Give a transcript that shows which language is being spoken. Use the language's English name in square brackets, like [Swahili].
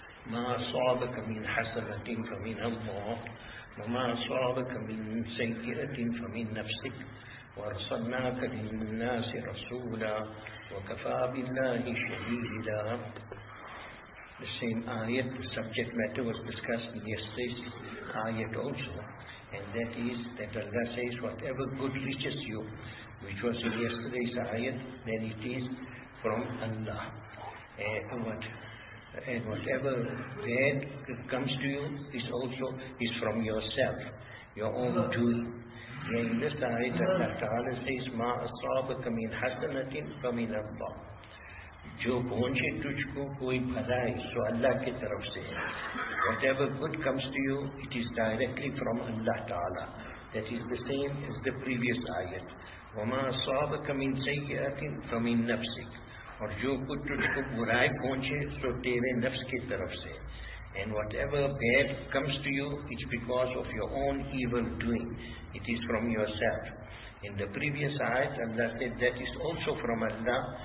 [Arabic] ما أصابك من حسنة فمن الله، وما أصابك من سيئة فمن نفسك، وأرسلناك للناس رسولا، وكفى بالله شهيدا. [English] The same ayat, the subject matter was discussed in yesterday's ayat also, and that is that Allah says, whatever good reaches you, which was in yesterday's ayat, then it is from Allah. And whatever bad comes to you is also from yourself, your own doing. And in this ayat, Allah Ta'ala says, [Arabic] مَا أَصَابَكَ مِنْ حَسَنَةٍ فَمِنَ اللَّهِ. [Urdu] جو پہنچے تجھ کو کوئی بھلائی سو اللہ کی طرف سے. [English] Whatever good comes to you, it is directly from Allah Ta'ala. That is the same as the previous ayat. [Arabic] وَمَا أَصَابَكَ مِنْ سَيِّئَةٍ فَمِنْ نَفْسِكَ. [Urdu] اور جو کچھ تجھ کو برائی پہنچے تو تیرے نفس کی طرف سے. [English] And whatever bad comes to you, it's because of your own evil doing. It is from yourself. In the previous ayat, Allah said that is also from Allah.